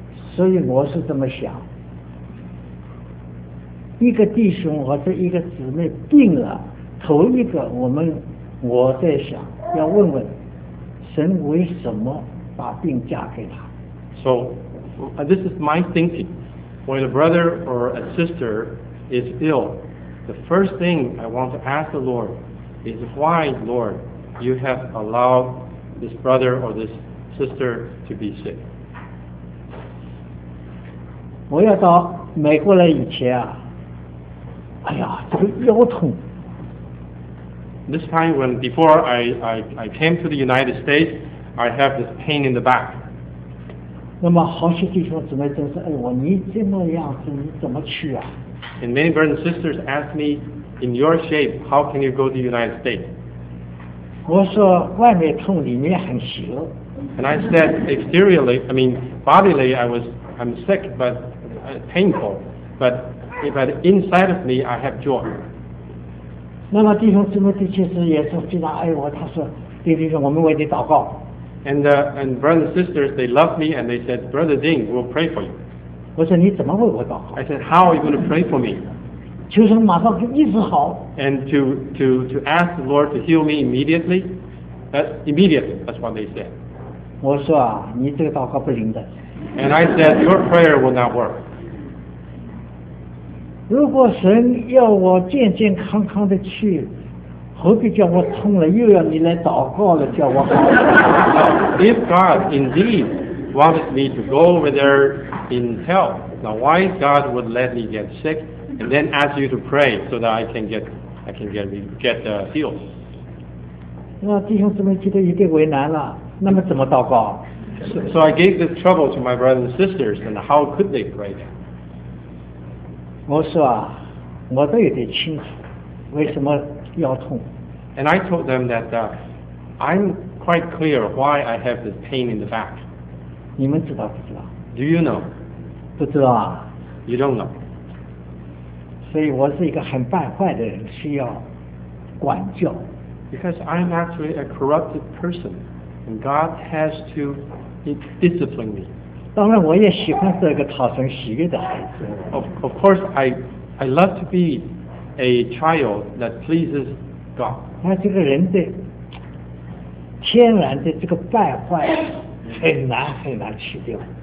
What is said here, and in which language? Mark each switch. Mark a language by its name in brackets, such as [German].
[Chinese] 所以我是这么想，一个弟兄或者一个姊妹病了。头一个我在想要问问神为什么把病嫁给他。 [English] So this is my thinking. When a brother or a sister is ill, the first thing I want to ask the Lord is why, Lord, you have allowed this brother or this sister to be sick. [Chinese] 我要到美国来以前啊，哎呀，这个腰痛。 [English] This time when before I came to the United States, I have this pain in the back. [Chinese] 那么好些弟兄姊妹都说，哎呦，你这么样子你怎么去啊？ [English] And many brothers and sisters ask me, in your shape, how can you go to the United States? [Chinese] 我说外面痛，里面很邪。 [English] And I said exteriorly, I mean bodily, I'm sick but painful, but inside of me, I have joy. [Chinese] 那么弟兄姊妹其实也是非常爱我，他说弟兄我们为你祷告。 [English] And brothers and sisters, they loved me and they said, Brother Ding, we'll pray for you. [Chinese] 我说你怎么为我祷告？ [English] I said, how are you going to pray for me? [Chinese] 求神马上医治好。 [English] And to ask the Lord to heal me immediately, that's what they said. [Chinese] 我说啊，你这个祷告不灵的。 [English] And I said, your prayer will not work. [Chinese] 如果神要我健健康康的去，何必叫我痛了又要你来祷告了叫我好？ [English] Now, if God indeed wanted me to go over there in health, now why God would let me get sick and then ask you to pray so that I can get healed? [Chinese] 那弟兄姊妹觉得一定为难了，那么怎么祷告？ [English] So I gave this trouble to my brothers and sisters, and how could they pray? [Chinese] 我说啊，我都有点清楚，为什么腰痛。 [English] And I told them that I'm quite clear why I have this pain in the back. [Chinese] 你们知道不知道 [English] ？Do you know? [Chinese] 不知道啊。 [English] You don't know. [Chinese] 所以我是一个很败坏的人，需要管教。 [English] Because I'm actually a corrupted person, and God has to discipline me. [Chinese] 当然，我也喜欢做一个讨神喜悦的孩子。 [English] Of course, I love to be a child that pleases God. [Chinese] 那这个人的天然的这个败坏很难很难去掉。